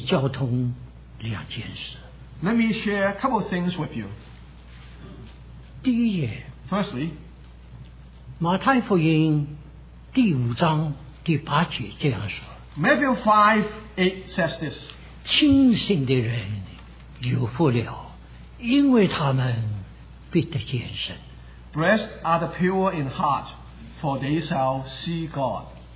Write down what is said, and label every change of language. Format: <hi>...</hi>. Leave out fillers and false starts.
<zh>我想在这里我愿意交通两件事。</zh> <en>Let me share a couple of things with you.</en> <zh>第一页，</zh> <en>Firstly,</en> <zh>马太福音第5章 第8节这样说，</zh> <en>Matthew 5:8 says this,</en> <zh>清心的人有福了， 因为他们必得见神。</zh> <en>Blessed are the pure in heart, for they shall see God.</en>